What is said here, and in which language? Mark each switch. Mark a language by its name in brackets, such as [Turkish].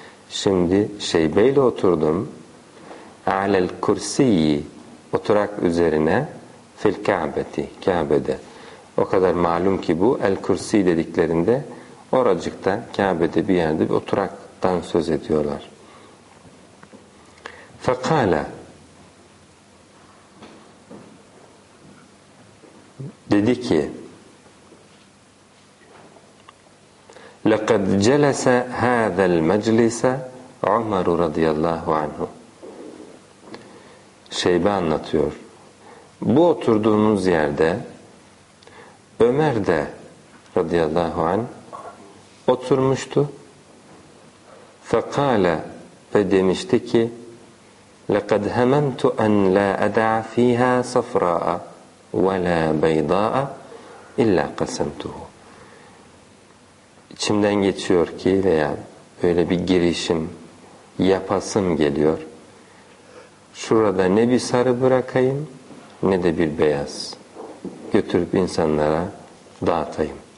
[Turkish] Şimdi Şeybe ile oturdum. [Arabic] Alel kursiyi, [Turkish] oturak üzerine, [Arabic] fil Kâbeti, [Turkish] Kâbe'de. O kadar malum ki bu, el kursi dediklerinde oracıkta, Kâbe'de bir yerde bir oturaktan söz ediyorlar. Fekala dedi ki [Arabic] لقد جلس هذا المجلس عمر رضي الله عنه. [Turkish] Şeybe anlatıyor. Bu oturduğumuz yerde Ömer de radıyallahu anh oturmuştu. Fekale ve demişti ki [Arabic] لَقَدْ هَمَمْتُ أَنْ لَا أَدَعَ ف۪يهَا صَفْرَاءَ وَلَا بَيْضَاءَ اِلَّا قَسَمْتُهُ. [Turkish] İçimden geçiyor ki veya böyle bir girişim yapasım geliyor. Şurada ne bir sarı bırakayım ne de bir beyaz götürüp insanlara dağıtayım.